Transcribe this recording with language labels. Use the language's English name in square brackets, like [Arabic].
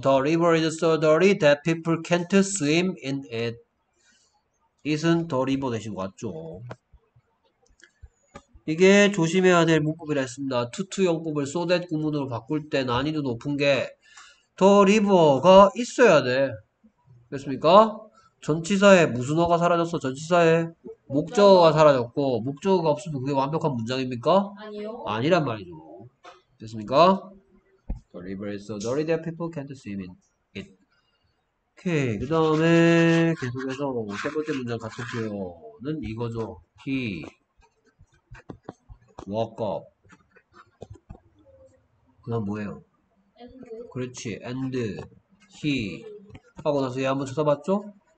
[English] The river is so dirty that people can't swim in it. [Korean] It은 [English] the river [Korean] 대신 왔죠. 이게 조심해야 될 문법이라 했습니다. to용법을 [English] so that [Korean] 구문으로 바꿀 때 난이도 높은 게 [English] the river [Korean] 가 있어야 돼. 그랬습니까? 전치사에 무슨 어가 사라졌어? 전치사에 목적어가 사라졌고 목적어가 없으면 그게 완벽한 문장입니까? 아니요. 아니란 말이죠. 됐습니까? [English] The river is so dirty that people can't swim in it. [Korean] 오케이. 그 다음에 계속해서 세 번째 문장 같은 표현은 이거죠. [English] He woke up. [Korean] 그다음 뭐예요? 그렇지. [English] And he [Korean] 하고 나서 얘 한번 쳐다봤죠?